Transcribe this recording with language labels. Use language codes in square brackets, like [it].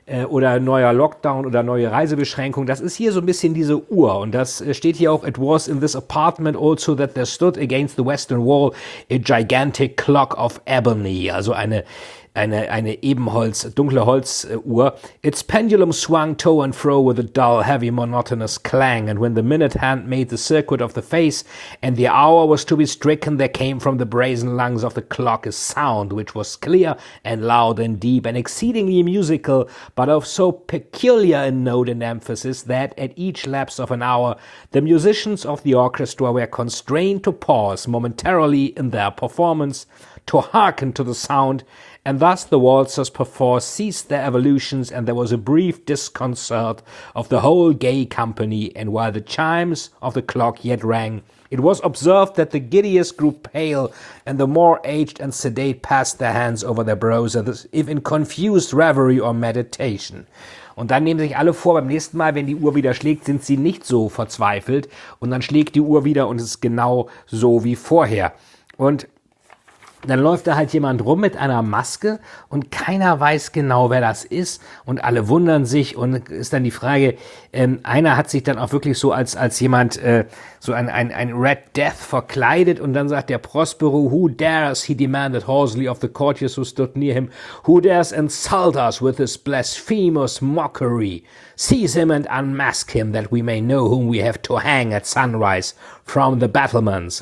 [de] oder ein neuer Lockdown oder neue Reisebeschränkung, das ist hier so ein bisschen diese Uhr und das steht hier auch, [en] it was in this apartment also that there stood against the western wall a gigantic clock of ebony, [de] also eine Ebenholz, dunkle Holzuhr. [en] Its pendulum swung to and fro with a dull, heavy, monotonous clang. And when the minute hand made the circuit of the face and the hour was to be stricken, there came from the brazen lungs of the clock a sound which was clear and loud and deep and exceedingly musical, but of so peculiar a note and emphasis that at each lapse of an hour the musicians of the orchestra were constrained to pause momentarily in their performance to hearken to the sound. And thus the waltzers perforce ceased their evolutions and there was a brief disconcert of the whole gay company. And while the chimes of the clock yet rang, it was observed that the giddiest grew pale and the more aged and sedate passed their hands over their brows as if in confused reverie or meditation. [de] Und dann nehmen sich alle vor, beim nächsten Mal, wenn die Uhr wieder schlägt, sind sie nicht so verzweifelt. Und dann schlägt die Uhr wieder und es ist genau so wie vorher. Und dann läuft da halt jemand rum mit einer Maske und keiner weiß genau, wer das ist und alle wundern sich und ist dann die Frage, einer hat sich dann auch wirklich so als jemand so ein Red Death verkleidet und dann sagt der Prospero, [en] who dares, he demanded hoarsely of the courtiers who stood near him, who dares insult us with his blasphemous mockery, seize him and unmask him, that we may know whom we have to hang at sunrise from the battlements.